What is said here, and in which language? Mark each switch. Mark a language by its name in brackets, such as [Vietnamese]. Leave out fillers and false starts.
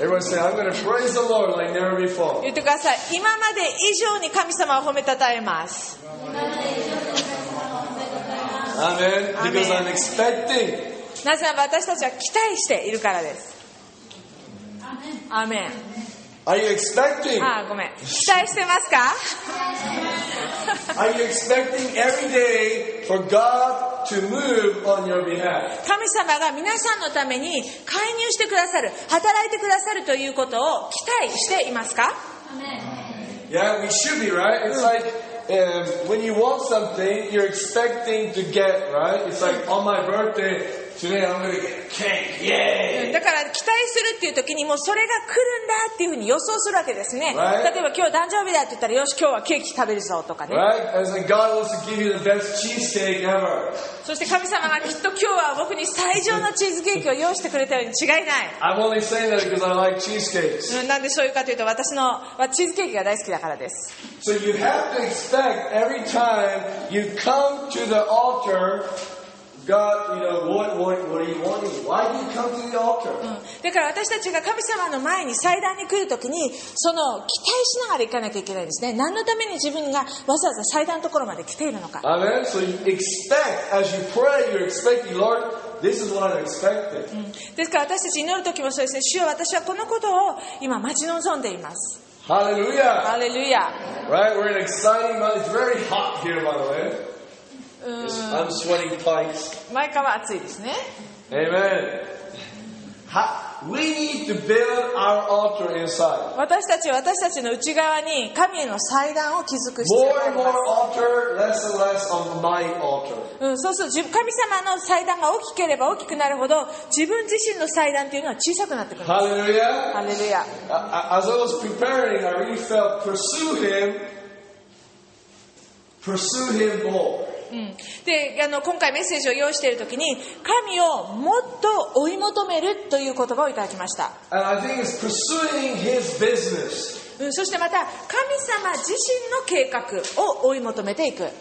[English] Everyone say, I'm going to praise the Lord like never before. [Japanese] 言ってください。今まで以上に神様を褒めたたえます。 [English] Amen. Because I'm expecting. [Japanese] なぜなら私たちは期待しているからです。 [English] Amen. Are you expecting? [Japanese] ああ、ごめん。期待してますか？ [English] Are you expecting every day for God to move on your behalf? [Japanese] 神様が皆さんのために介入してくださる、働いてくださるということを期待していますか？ [English] Amen. Yeah, we should be right. It's like. When you want something, you're expecting to get, right? It's like on my birthday today, I'm gonna get cake, yay! [Japanese] だから期待するっていう時にもうそれが来るんだっていうふうに予想するわけですね。 [English] Right? [Japanese] 例えば今日誕生日だって言ったらよし今日はケーキ食べるぞとかね。 [English] Right? As in God wants to give you the best cheesecake ever. [Japanese] そして神様がきっと今日は僕に最上のチーズケーキを用意してくれたように違いない。 [English] I'm only saying that because I like cheesecakes. [Japanese] なんでそういうかというと私のはチーズケーキが大好きだからです。 [English] So you have to expect every time you come to the altar. God, you know, what are you wanting? Why do you come to the altar? [Japanese] だから私たちが神様の前に祭壇に来るときにその期待しながら行かなきゃいけないんですね。何のために自分がわざわざ祭壇のところまで来ているのか。 [English] Amen. So you expect, as you pray, you're expecting, Lord, this is what I'm expecting. [Japanese] ですから私たち祈るときもそうですね。主よ、私はこのことを今待ち望んでいます。 [English] Hallelujah. Hallelujah. Right, we're in an exciting month. It's very hot here, by the way. I'm sweating pipes. [Japanese] 毎回は暑いですね。 [English] Amen. We need to build our altar inside. [Japanese] 私たちの内側に神への祭壇を築く必要があります。 [English] More and more altar, less and less of my altar. [Japanese] そうすると神様の祭壇が大きければ大きくなるほど自分自身の祭壇というのは小さくなってくるんです。 [English] Hallelujah. Hallelujah. As I was preparing, I really felt pursue him more. [Japanese] で今回メッセージを用意しているときに神をもっと追い求めるという言葉をいただきました。 [English] And I think it's pursuing his business. [Japanese] そしてまた神様自身の計画を追い求めていく。